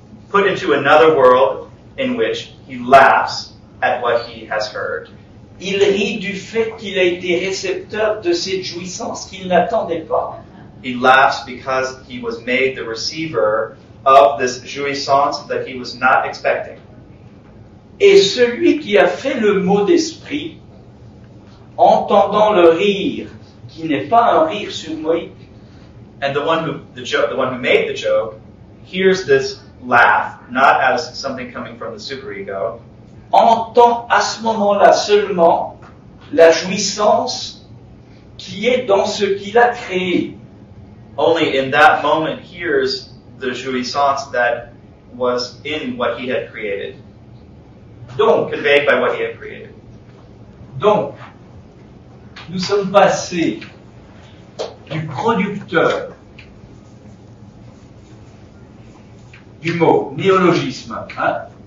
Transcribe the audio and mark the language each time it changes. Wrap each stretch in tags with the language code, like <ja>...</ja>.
<en>put into another world in which he laughs at what he has heard.</en> <fr>Il rit du fait qu'il a été récepteur de cette jouissance qu'il n'attendait pas.</fr> <en>He laughs because he was made the receiver of this jouissance that he was not expecting.</en> <fr>Et celui qui a fait le mot d'esprit, entendant le rire, qui n'est pas un rire sur moi.</fr> <en>And the one who made the joke, hears this laugh, not as something coming from the superego.</en> <fr>Entend à ce moment-là seulement la jouissance qui est dans ce qu'il a créé.</fr> <en>Only in that moment hears the jouissance that was in what he had created.</en> <fr>Donc,</fr> <en>conveyed by what he had created.</en> <fr>Donc, nous sommes passés du producteur du mot néologisme, hein?</fr>